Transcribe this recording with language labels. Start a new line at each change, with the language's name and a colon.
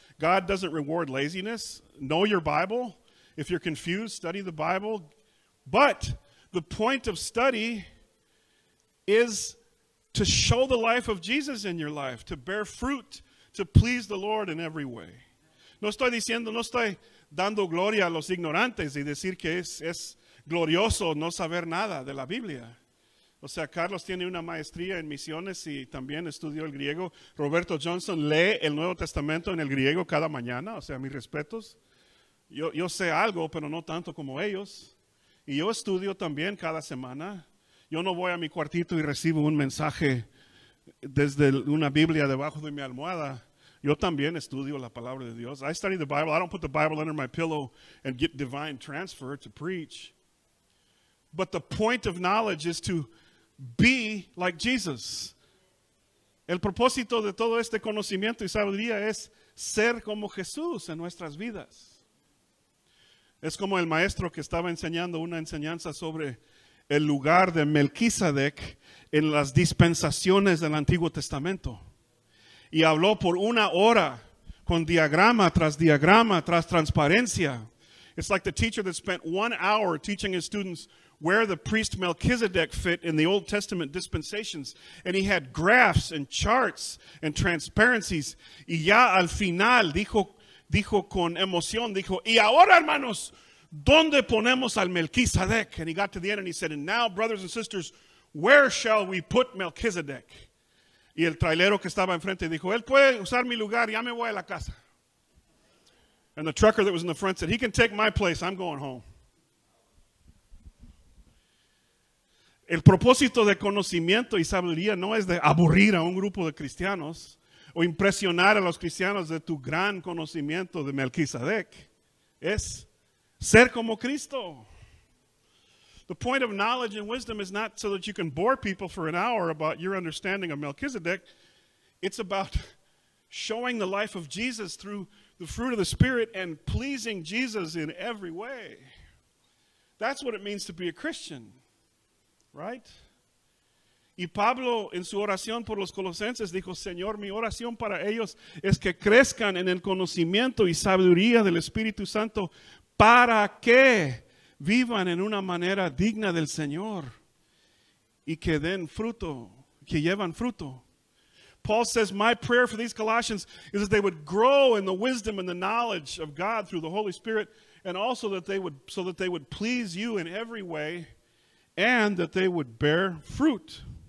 English: God doesn't reward laziness. Know your Bible. If you're confused, study the Bible. But the point of study is to show the life of Jesus in your life, to bear fruit, to please the Lord in every way.
Spanish: No estoy diciendo, no estoy dando gloria a los ignorantes y decir que es glorioso no saber nada de la Biblia. O sea, Carlos tiene una maestría en misiones y también estudió el griego. Roberto Johnson lee el Nuevo Testamento en el griego cada mañana. O sea, mis respetos. Yo sé algo, pero no tanto como ellos. Y yo estudio también cada semana. Yo no voy a mi cuartito y recibo un mensaje desde una Biblia debajo de mi almohada. Yo también estudio la palabra de Dios.
English: I study the Bible. I don't put the Bible under my pillow and get divine transfer to preach. But the point of knowledge is to be like Jesus.
Spanish: El propósito de todo este conocimiento y sabiduría es ser como Jesús en nuestras vidas. Es como el maestro que estaba enseñando una enseñanza sobre el lugar de Melquisedec en las dispensaciones del Antiguo Testamento. Y habló por una hora con diagrama tras diagrama tras transparencia.
English: It's like the teacher that spent 1 hour teaching his students where the priest Melchizedek fit in the Old Testament dispensations. And he had graphs and charts and transparencies.
Spanish: Y ya al final dijo con emoción, dijo, y ahora hermanos, ¿dónde ponemos al Melquisedec?
English: And he got to the end and he said, and now brothers and sisters, where shall we put Melquisedec?
Spanish: Y el trailero que estaba enfrente dijo, él puede usar mi lugar, ya me voy a la casa.
English: And the trucker that was in the front said, he can take my place, I'm going home.
Spanish: El propósito de conocimiento y sabiduría no es de aburrir a un grupo de cristianos o impresionar a los cristianos de tu gran conocimiento de Melquisedec, es ser como Cristo.
English: The point of knowledge and wisdom is not so that you can bore people for an hour about your understanding of Melchizedek. It's about showing the life of Jesus through the fruit of the Spirit and pleasing Jesus in every way. That's what it means to be a Christian, right?
Spanish: Y Pablo, en su oración por los colosenses, dijo, Señor, mi oración para ellos es que crezcan en el conocimiento y sabiduría del Espíritu Santo para que vivan en una manera digna del Señor y que den fruto, que llevan fruto.
English: Paul says, my prayer for these Colossians is that they would grow in the wisdom and the knowledge of God through the Holy Spirit, and also that they would, so that they would please you in every way, and that they would bear fruit.